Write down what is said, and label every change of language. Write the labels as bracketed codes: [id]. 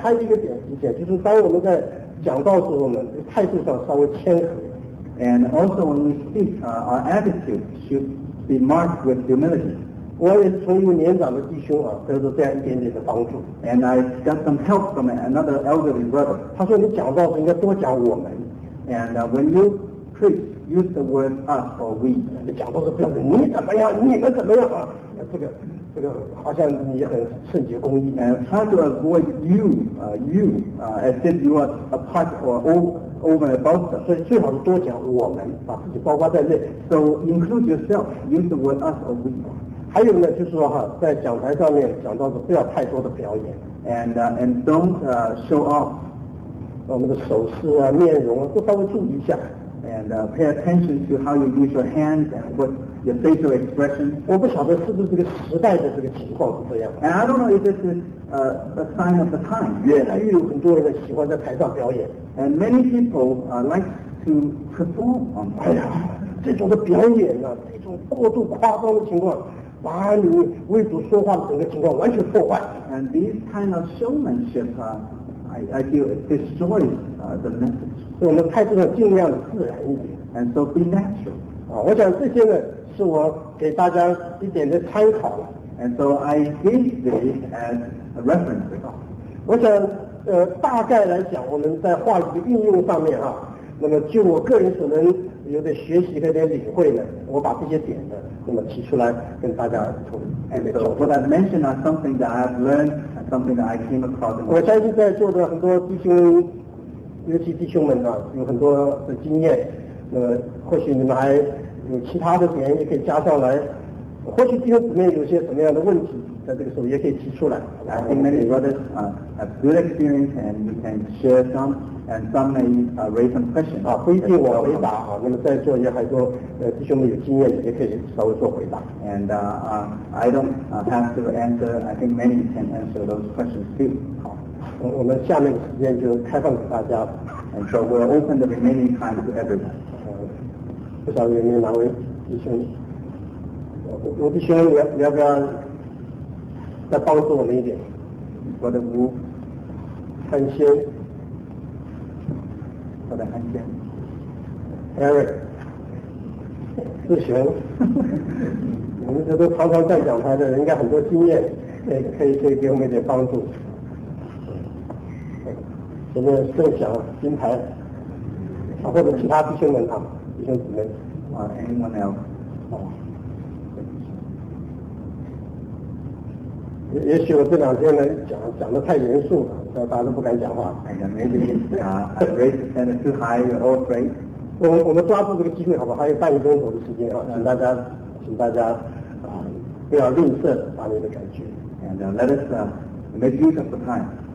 [zh] 还有一个点，就是当我们在讲道时候呢，态度上稍微谦和。 [en] And also when we speak, our attitude should be marked with humility. [zh] 我也从一个年长的弟兄啊，得到这样一点点的帮助。 [en] And I got some help from another elderly brother. [zh] 他说你讲道应该多讲我们。 [en] And when you preach, use the word us or we. [zh] 讲道是不要你怎么样，你们怎么样啊？这个好像你很圣洁公义。 [en] And try to avoid you, as if you are apart or over above them. [zh] 所以最好是多讲我们，把自己包括在内。 [en] So include yourself, use the word us or we. [zh] 还有呢，就是说哈，在讲台上面讲到的不要太多的表演。 [en] And don't show off. [zh] 我们的手势啊，面容啊，都稍微注意一下。 [en] And pay attention to how you use your hands and what your facial expression. [zh] 我不晓得是不是这个时代的这个情况是这样。 [en] And I don't know if this is a sign of the time. [zh] 越来越有很多人喜欢在台上表演。 [en] And many people like to perform on stage. [zh] 这种的表演呢、啊，这种过度夸张的情况，把你为主说话的整个情况完全破坏。 [en] And these kind of showmanship, I feel it destroys the message. [zh] 所以我们态度上尽量自然一点 [en] ，and so be natural。 [zh] 啊，我想这些呢，是我给大家一点的参考了。 [en] And so I gave this as a reference. [zh] 我想，大概来讲，我们在话语的运用上面啊，那么就我个人所能有的学习和点领会呢，我把这些点呢，那么提出来跟大家从。 [en] And so what I mentioned are something that I have learned, and something that I came across. [zh] 我相信在座的很多弟兄。尤其弟兄们呢、啊，有很多的经验，那或许你们还有其他的点也可以加上来，或许弟兄姊妹有些什么样的问题，在这个时候也可以提出来。 [en] I think many brothers have good experience and we can share some, and some may raise some questions. [zh] 啊，不一定我回答啊，那么在座也还有弟兄们有经验也可以稍微做回答。 [en] And I don't have to answer. I think many can answer those questions too. [zh] 好。我们下面的时间就开放给大家 [en] And so we'll open the remaining time to everyone. [zh] 不晓得有没有哪位弟兄，罗弟兄，你要不要再帮助我们一点？我的吴汉先，我的汉先，Eric， 志玄，我们这都常常在讲台的人，应该很多经验，可以给我们一点帮助。前面盛翔、金牌，啊，或者其他弟兄们啊，弟兄姊妹， [en] 啊 ，anyone else？ [zh] 哦，也许我这两天呢讲得太严肃了，大家都不敢讲话。 [en] Maybe rate stand too high, you're all afraid. [zh] 我们抓住这个机会，好吧？还有半个钟头的时间啊，请大家不要吝啬把你的感觉。 [en] And let us make use of the time.